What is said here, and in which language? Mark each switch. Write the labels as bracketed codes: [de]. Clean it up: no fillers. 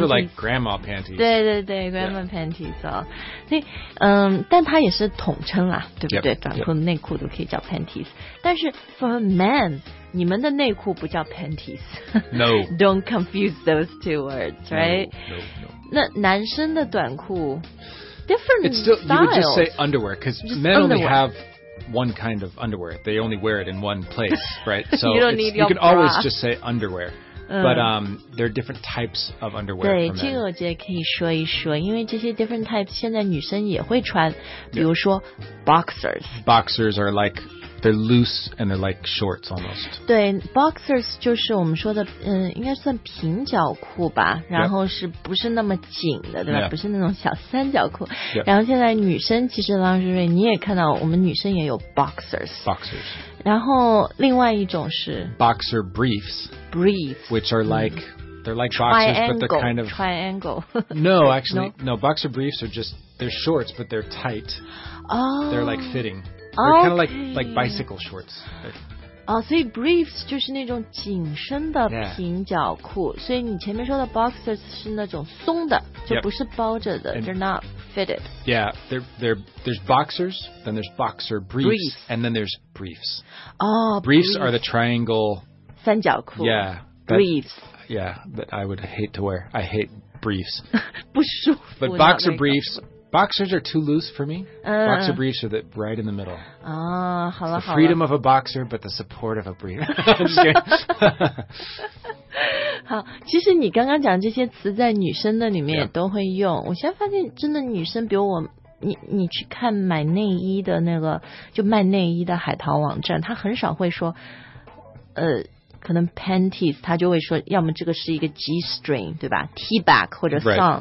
[en] Those are like grandma panties. [zh] 对对对 , [en] grandma panties. [zh] 所以但它也是统称啦对不对短裤内裤都可以叫 panties. 但是 for a man, 你们的内裤不叫 panties. [en] No. Don't confuse those two words, right? No, no, no. [zh] 那男生的短裤 [en] different it's still, styles. You would just say underwear, because men only have... one kind of underwear. They only wear it in one place, right? So you don't need your bra. You can always just say underwear. But there are different types of underwear. [zh] 对，这个我觉得可以说一说，因为这些 [en] different types [zh] 现在女生也会穿，比如说 boxers. [en] Boxers are like, they're loose and they're like shorts almost. [zh] 对 ,boxers 就是我们说的应该算平角裤吧，然后是不是那么紧的，对吧？不是那种小三角裤。然后现在女生其实郎瑞瑞你也看到我们女生也有 boxers。 [en] boxers。 [zh] 然后另外一种是 [en] boxer briefs。 briefs。 which are like,they're like boxers, but they're kind of... Triangle. No, actually, no, boxer briefs are just, they're shorts, but they're tight. Oh. They're like fitting. They're kind of like bicycle shorts. [zh] So briefs 就是那种紧身的平角裤。所以你前面说的 boxers 是那种松的，就不是包着的。 [en] They're not fitted. Yeah, there's boxers, then there's boxer briefs, and then there's briefs. Oh, briefs are the triangle... [zh] 三角裤. [en] Yeah. Briefs. Yeah, that I would hate to wear. I hate briefs. [zh] 不舒服。 [en] But boxer briefs, boxers are too loose for me. Boxer briefs are right in the middle. [zh] Ah, 好了好了。 [en] Freedom of a boxer, but the support of a brief. I'm just kidding. [zh] 好，其实你刚刚讲这些词在女生的里面也都会用。我现在发现真的女生，比如我，你去看买内衣的那个，就卖内衣的海淘网站，她很少会说，可能 panties 他就会说要么这个是一个 g-string 对吧 t-back 或者 thong、